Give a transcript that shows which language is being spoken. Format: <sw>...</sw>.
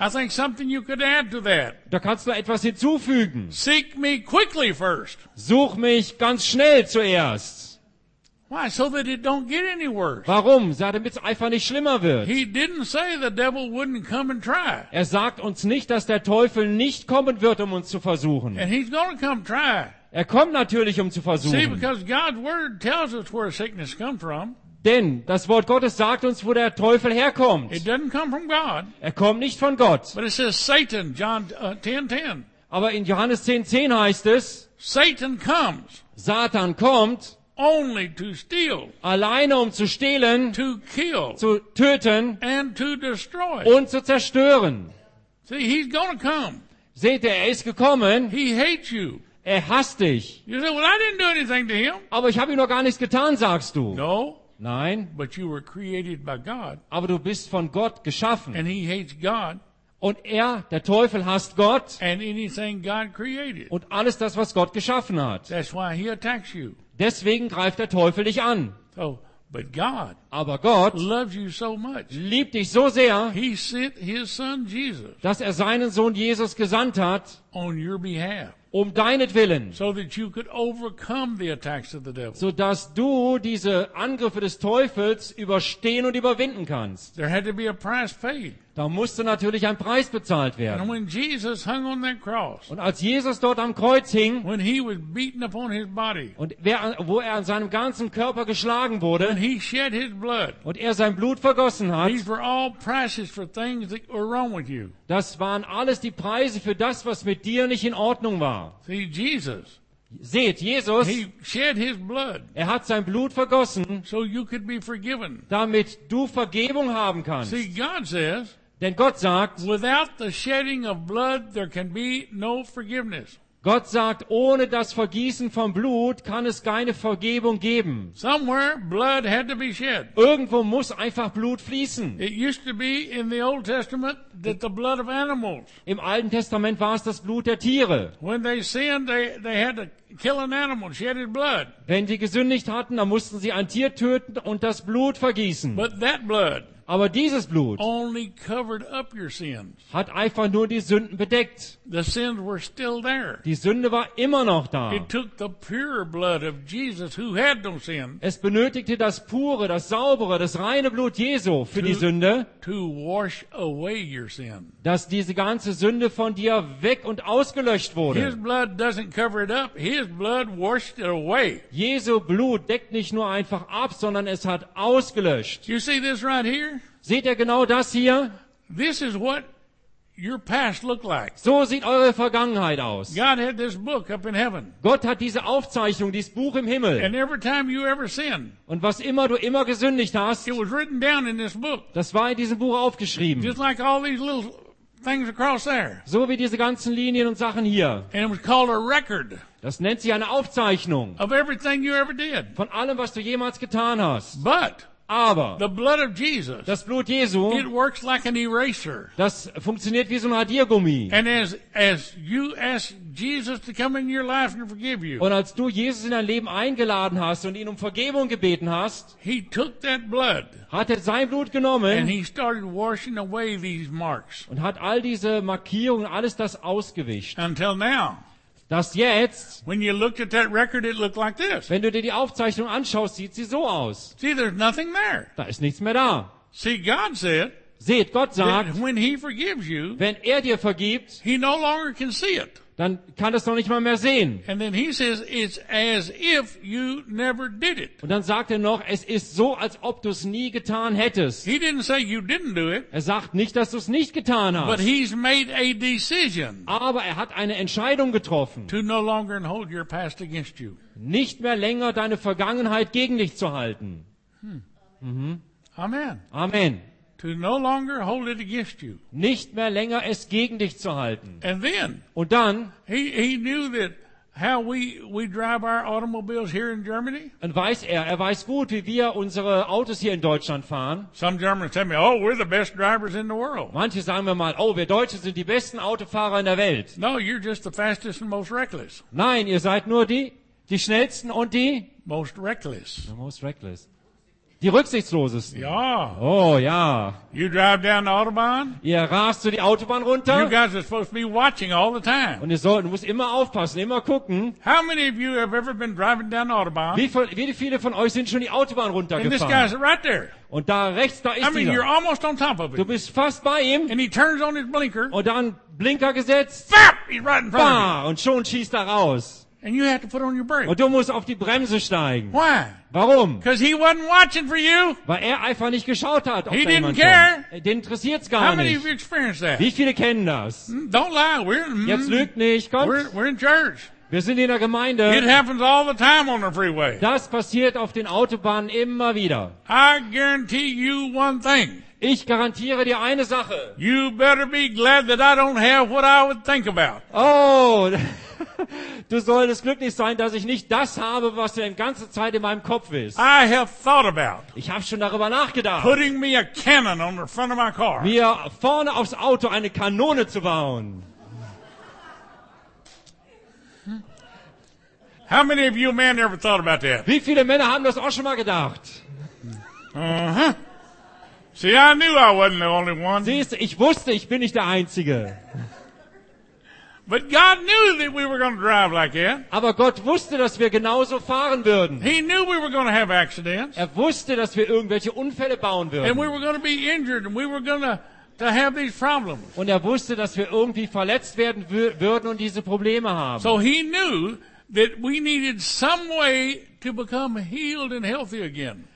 <en>I think something you could add to that.</en> <de>Da kannst du etwas hinzufügen.</de> <en>Seek me quickly first.</en> <de>Such mich ganz schnell zuerst.</de> <en>Why? So that it don't get any worse.</en> <de>Warum? Damit es einfach nicht schlimmer wird.</de> <en>He didn't say the devil wouldn't come and try.</en> <de>Er sagt uns nicht, dass der Teufel nicht kommen wird, um uns zu versuchen.</de> <en>And he's gonna come try.</en> <de>Er kommt natürlich, um zu versuchen.</de> <en>See, because God's word tells us where sickness comes from.</en> <de>Denn das Wort Gottes sagt uns, wo der Teufel herkommt.</de> <en>It doesn't come from God.</en> <de>Er kommt nicht von Gott.</de> <en>But it says Satan, John 10:10.</en> <de>Aber in Johannes 10:10 heißt es,</de> <en>Satan comes.</en> <de>Satan kommt.</de> <en>Only to steal.</en> <de>Alleine um zu stehlen.</de> <en>To kill.</en> <de>Zu töten.</de> <en>And to destroy.</en> <de>Und zu zerstören.</de> <en>See, he's gonna come.</en> <de>Seht ihr, er ist gekommen.</de> <en>He hates you.</en> <de>Er hasst dich.</de> <en>You say, well, I didn't do anything to him.</en> <de>Aber ich habe ihm noch gar nichts getan, sagst du.</de> <en>No.</en> <de>Nein.</de> <en>But you were created by God.</en> <de>Aber du bist von Gott geschaffen.</de> <en>And he hates God.</en> <de>Und er, der Teufel, hasst Gott.</de> <en>And anything God created.</en> <de>Und alles das, was Gott geschaffen hat.</de> <en>That's why he attacks you.</en> <de>Deswegen greift der Teufel dich an.</de> <en>Oh, but God,</en> <de>aber Gott</de> <en>loves you so much,</en> <de>liebt dich so sehr,</de> <en>he sent his son Jesus,</en> <de>dass er seinen Sohn Jesus gesandt hat,</de> <en>on your behalf,</en> <de>um deinetwillen,</de> <en>so that you could overcome the attacks of the devil.</en> <de>Sodass du diese Angriffe des Teufels überstehen und überwinden kannst.</de> <en>There had to be a price paid.</en> <de>Da musste natürlich ein Preis bezahlt werden.</de> <en>And when Jesus hung on that cross,</en> <de>und als Jesus dort am Kreuz hing,</de> <en>when he was beaten upon his body,</en> <de>und wo er an seinem ganzen Körper geschlagen wurde,</de> <en>and he shed his blood,</en> <de>und er sein Blut vergossen hat,</de> <en>these were all prices for things that were wrong with you.</en> <de>Das waren alles die Preise für das, was mit dir nicht in Ordnung war.</de> <en>See, Jesus.</en> <de>Seht, Jesus,</de> <en>he shed his blood,</en> <de>er hat sein Blut vergossen,</de> <en>so you could be forgiven.</en> <de>Damit du Vergebung haben kannst.</de> <en>See, God says,</en> <de>denn Gott sagt,</de> <en>without the shedding of blood, there can be no forgiveness.</en> <de>Gott sagt, ohne das Vergießen von Blut kann es keine Vergebung geben.</de> <en>Somewhere blood had to be shed.</en> <de>Irgendwo muss einfach Blut fließen.</de> <en>It used to be in the Old Testament that the blood of animals.</en> <de>Im Alten Testament war es das Blut der Tiere.</de> <en>When they sinned, they had to kill an animal, shed his blood.</en> <de>Wenn sie gesündigt hatten, dann mussten sie ein Tier töten und das Blut vergießen.</de> <en>But that blood.</en> <de>Aber dieses Blut</de> <en>only covered up your sins.</en> <de>Hat einfach nur die Sünden bedeckt.</de> <en>The sins were still there.</en> <de>Die Sünde war immer noch da.</de> <en>It took the pure blood of Jesus, who had no sin.</en> <de>Es benötigte das pure, das saubere, das reine Blut Jesu für die Sünde,</de> <en>to wash away your sin.</en> <de>Dass diese ganze Sünde von dir weg und ausgelöscht wurde.</de> <en>His blood doesn't cover it up. His blood washed it away.</en> <de>Jesu Blut deckt nicht nur einfach ab, sondern es hat ausgelöscht.</de> <en>You see this right here?</en> <de>Seht ihr genau das hier?</de> <en>This is what your past looked like.</en> <de>So sieht eure Vergangenheit aus.</de> <en>God had this book up in heaven.</en> <de>Gott hat diese Aufzeichnung, dieses Buch im Himmel.</de> <en>And every time you ever sinned,</en> <de>und was immer du immer gesündigt hast,</de> <en>it was written down in this book.</en> <de>Das war in diesem Buch aufgeschrieben.</de> <en>Just like all these little things across there.</en> <de>So wie diese ganzen Linien und Sachen hier.</de> <en>And it was called a record.</en> <de>Das nennt sich eine Aufzeichnung.</de> <en>Of everything you ever did.</en> <de>Von allem, was du jemals getan hast.</de> <en>But</en> <de>aber</de> <en>the blood of Jesus,</en> <de>das Blut Jesu,</de> <en>it works like an eraser.</en> <de>Das funktioniert wie so ein Radiergummi.</de> <en>And as you ask Jesus to come in your life and forgive you,</en> <de>und als du Jesus in dein Leben eingeladen hast und ihn um Vergebung gebeten hast,</de> <en>he took that blood,</en> <de>hat er sein Blut genommen,</de> <en>and he started washing away these marks,</en> <de>und hat all diese Markierungen, alles das ausgewischt.</de> <en>Until now,</en> <de>dass jetzt,</de> <en>when you looked at that record, it looked like this.</en> <de>Wenn du dir die Aufzeichnung anschaust, sieht sie so aus.</de> <en>See, there's nothing there.</en> <de>Da ist nichts mehr da.</de> <en>See, God said,</en> <de>seht, Gott sagt,</de> <en>when he forgives you,</en> <de>wenn er dir vergibt,</de> <en>he no longer can see it.</en> <de>Dann kann das noch nicht mal mehr sehen.</de> <en>And then he says, it's as if you never did it.</en> <de>Und dann sagt er noch, es ist so, als ob du es nie getan hättest.</de> <en>He didn't say you didn't do it.</en> <de>Er sagt nicht, dass du es nicht getan hast.</de> <en>But he's made a decision.</en> <de>Aber er hat eine Entscheidung getroffen.</de> <en>To no longer hold your past against you.</en> <de>Nicht mehr länger deine Vergangenheit gegen dich zu halten. Hm. Mhm.</de> <en>Amen.</en> <de>Amen.</de> <en>To no longer hold it against you.</en> <de>Nicht mehr länger es gegen dich zu halten.</de> <en>And then,</en> <de>und dann,</de> <en>he knew that how we drive our automobiles here in Germany.</en> <de>Und weiß er weiß gut, wie wir unsere Autos hier in Deutschland fahren.</de> <en>Some Germans tell me, oh, we're the best drivers in the world.</en> <de>Manche sagen mir mal, oh, wir Deutschen sind die besten Autofahrer in der Welt.</de> <en>No, you're just the fastest and most reckless.</en> <de>Nein, ihr seid nur die schnellsten und die</de> <en>most reckless. The most reckless.</en> <de>Die Rücksichtslosesten. Ja. Oh, ja.</de> <en>You drive down the Autobahn.</en> <de>Ihr rast zu die Autobahn runter.</de> <en>You guys are supposed to be watching all the time.</en> <de>Und ihr müsst immer aufpassen, immer gucken.</de> <en>How many of you have ever been driving down the Autobahn?</en> <de>Wie viele von euch sind schon die Autobahn runtergefahren?</de> <en>And this guy's right there.</en> <de>Und da rechts, da ist er.</de> <en>I mean, you're almost on top of it.</en> <de>Du bist fast bei ihm.</de> <en>And he turns on his blinker.</en> <de>Und dann Blinker gesetzt.</de> <en>Fap! He's right in front of you.</en> <de>Und schon schießt er raus.</de> <en>And you have to put on your brake.</en> <de>Und du musst auf die Bremse steigen.</de> <en>Why?</en> <de>Warum?</de> <en>Because he wasn't watching for you.</en> <de>Weil er einfach nicht geschaut hat.</de> <en>He didn't care.</en> <de>Den interessiert's gar nicht.</de> <en>How many of you experienced that?</en> <de>Wie viele kennen das?</de> <en>Don't lie.</en> <de>Jetzt lügt nicht. Kommt.</de> <en>We're in church.</en> <de>Wir sind in der Gemeinde.</de> <en>It happens all the time on the freeway.</en> <de>Das passiert auf den Autobahnen immer wieder.</de> <en>I guarantee you one thing.</en> <de>Ich garantiere dir eine Sache.</de> <en>You better be glad that I don't have what I would think about. Oh.</en> <de>Du solltest glücklich sein, dass ich nicht das habe, was du die ganze Zeit in meinem Kopf ist.</de> <en>I have thought about.</en> <de>Ich habe schon darüber nachgedacht.</de> <en>Putting me a cannon on the front of my car.</en> <de>Mir vorne aufs Auto eine Kanone zu bauen.</de> <en>How many of you men ever thought about that?</en> <de>Wie viele Männer haben das auch schon mal gedacht? Uh-huh.</de> <en>See, I knew I wasn't the only one.</en> <de>Siehst du, ich wusste, ich bin nicht der Einzige.</de> <en>But God knew that we were going to drive like that.</en> <de>Aber Gott wusste, dass wir genauso fahren würden.</de> <en>He knew we were going to have accidents.</en> <de>Er wusste, dass wir irgendwelche Unfälle bauen würden.</de> <en>And we were going to be injured and we were going to have these problems.</en> <de>Und er wusste, dass wir irgendwie verletzt werden würden und diese Probleme haben.</de> <en>So he knew that we needed some way to become healed and healthy again.</en>